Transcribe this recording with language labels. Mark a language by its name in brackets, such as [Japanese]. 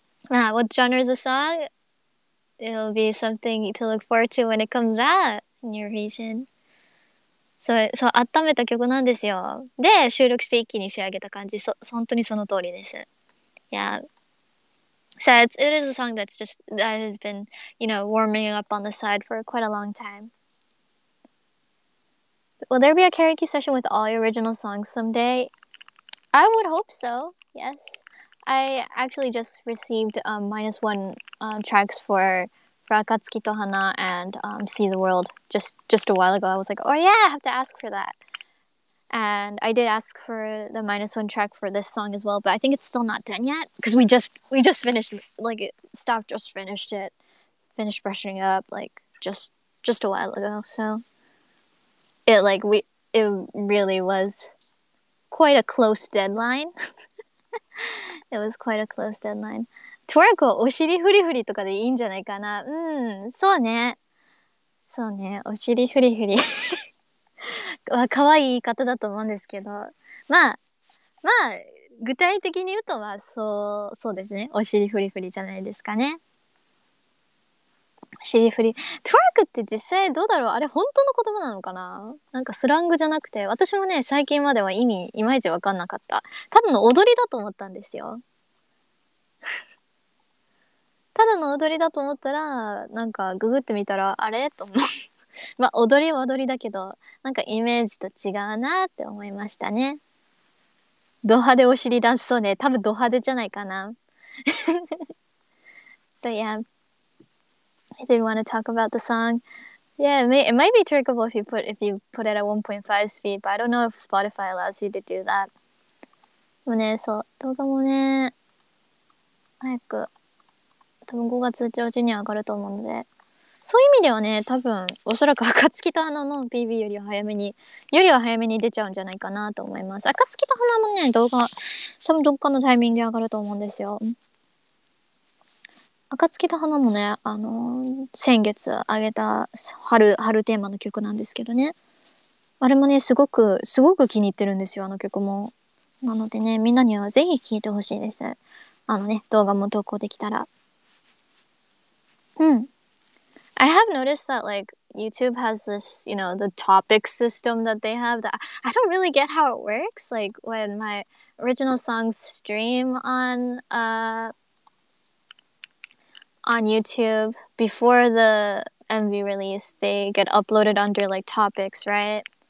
[English] Ah, what genre is the song? It'll be something to look forward to when it comes out in your region. [Japanese] そう、温めた曲なんですよ。で、収録して一気に仕上げた感じ。本当にその通りです。Yeah. [English] So it is a song that has been, you know, warming up on the side for quite a long time. Will there be a karaoke session with all your original songs someday? I would hope so, yes. I actually just received minus one tracks for Akatsuki to Hana and See the World just a while ago. I was like, oh yeah, I have to ask for that. And I did ask for the minus one track for this song as well, but I think it's still not done yet. Because we just finished, like, staff just finished it. Finished brushing up, like, just a while ago. So, it, like, it really was quite a close deadline. It was quite a close deadline. [Japanese] トワークをお尻フリフリとかでいいんじゃないかな。うん、そうね。そうね、お尻フリフリ。は可愛い言い方だと思うんですけど。まあ、まあ、具体的に言うとは、そう、そうですね。お尻フリフリじゃないですかね。お尻フリ。トワークって実際どうだろう？あれ本当の言葉なのかな？なんかスラングじゃなくて、私もね、最近までは意味、いまいちわかんなかった。ただの踊りだと思ったんですよ。ただの踊りだと思ったら、なんかググってみたら、あれ？と思う。まあ、踊りは踊りだけど、なんかイメージと違うなって思いましたね。ド派手お尻出すそうね。多分ド派手じゃないかな。 [English] But yeah, I didn't want to talk about the song. Yeah, it might be trickable if you put it at 1.5 speed, but I don't know if Spotify allows you to do that. [Japanese] もうね、そう、動画もね、早く、多分5月上旬に上がると思うので、そういう意味ではね、多分、おそらく、暁と花の PV よりは早めに、よりは早めに出ちゃうんじゃないかなと思います。暁と花もね、動画、多分どっかのタイミングで上がると思うんですよ。暁と花もね、先月上げた春テーマの曲なんですけどね。あれもね、すごく気に入ってるんですよ、あの曲も。なのでね、みんなにはぜひ聴いてほしいです。あのね、動画も投稿できたら。うん。 [English] I have noticed that, like, YouTube has this, you know, the topic system that they have that I don't really get how it works. Like, when my original songs stream on YouTube, before the MV release, they get uploaded under, like, topics, right?